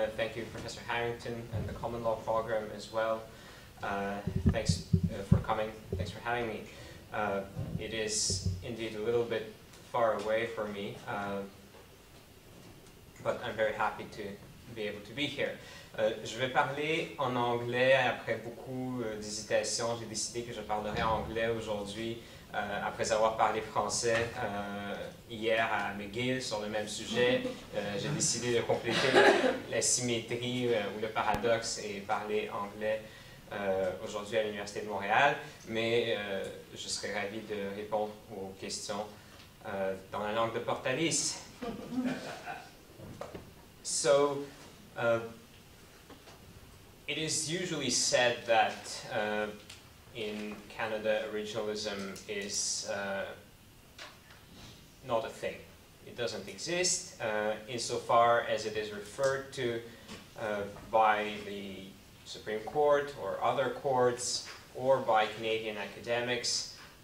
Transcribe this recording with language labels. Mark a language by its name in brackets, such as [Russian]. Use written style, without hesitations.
[English] Thank you, Professor Harrington, and the Common Law Program as well. Thanks for coming. Thanks for having me. It is indeed a little bit far away for me, but I'm very happy to be able to be here. [French] Je vais parler en anglais après beaucoup d'hésitations. J'ai décidé que je parlerai anglais aujourd'hui. Après avoir parlé français hier à McGill sur le même sujet, j'ai décidé de compléter la symétrie ou le paradoxe et parler anglais aujourd'hui à l'Université de Montréal. Mais je serais ravi de répondre aux questions dans la langue de Portalis. [English] So, it is usually said that in Canada, originalism is not a thing. It doesn't exist insofar as it is referred to by the Supreme Court or other courts or by Canadian academics.